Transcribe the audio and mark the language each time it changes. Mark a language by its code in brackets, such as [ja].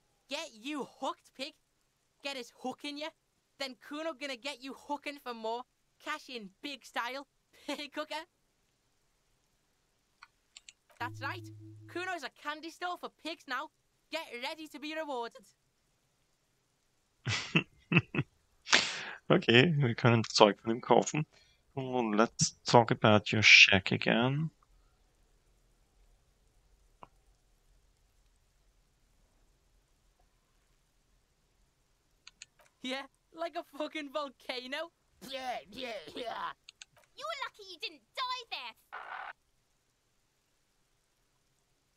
[en] Get you hooked, pig. Get his hook in you, then Kuno gonna get you hooking for more. Cash in big style, pig hooker. That's right. Kuno's a candy store for pigs now. Get ready to be rewarded. [de] Okay, we können Zeug von ihm kaufen. [en] Well, let's talk about your shack again. Yeah, like a fucking volcano. Yeah. You were lucky you didn't die there.